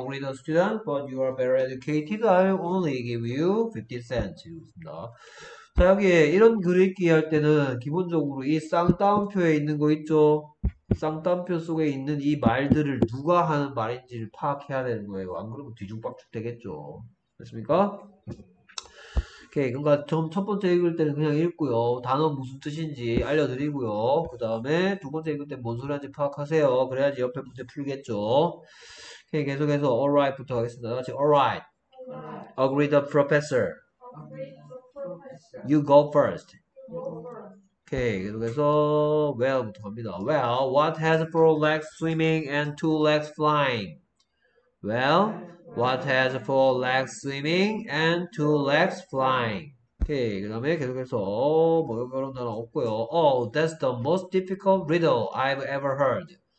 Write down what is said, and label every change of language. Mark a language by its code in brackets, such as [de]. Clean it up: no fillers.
[en] agree the student, but you are very educated. I only give you 50 cents. [ko] 자, 여기에 이런 그리기 할 때는 기본적으로 이 쌍따옴표에 있는 거 있죠? 쌍따옴표 속에 있는 이 말들을 누가 하는 말인지를 파악해야 되는 거예요. 안 그러면 뒤죽박죽 되겠죠. 맞습니까? 오케이. 그러니까 좀첫 번째 읽을 때는 그냥 읽고요. 단어 무슨 뜻인지 알려드리고요. 그 다음에 두 번째 읽을 때뭔 소리 하는지 파악하세요. 그래야지 옆에 문제 풀겠죠. 오케이. 계속해서 [en] alright [ko] 부터 하겠습니다. 같이 [en] alright. Agree the professor. You go first. [ko] Okay, 계속해서 well부터 갑니다. [en] Well, what has four legs swimming and two legs flying? Well, what has four legs swimming and two legs flying? [ko] Okay, 그다음에 계속해서 뭐 이런 단어 없고요. [en] Oh, that's the most difficult riddle I've ever heard.